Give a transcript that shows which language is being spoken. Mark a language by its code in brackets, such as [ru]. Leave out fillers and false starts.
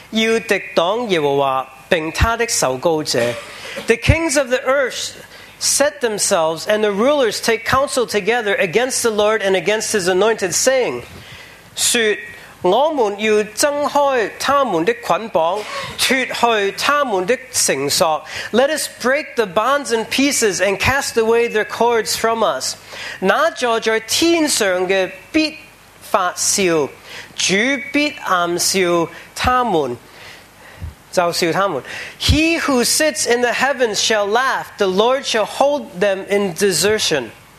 [zh] 世上的君王一齐起来，神采一同商议，要敌挡耶和华并他的受膏者。 [en] The kings of the earth set themselves, and the rulers take counsel together against the Lord and against his anointed, saying, [zh] 说, [en] let us break the bonds in pieces and cast away their cords from us. [zh] 那坐在天上的必发笑，主必暗笑他们。就笑他们, [en] he who sits in the heavens shall laugh, the Lord shall hold them in desertion.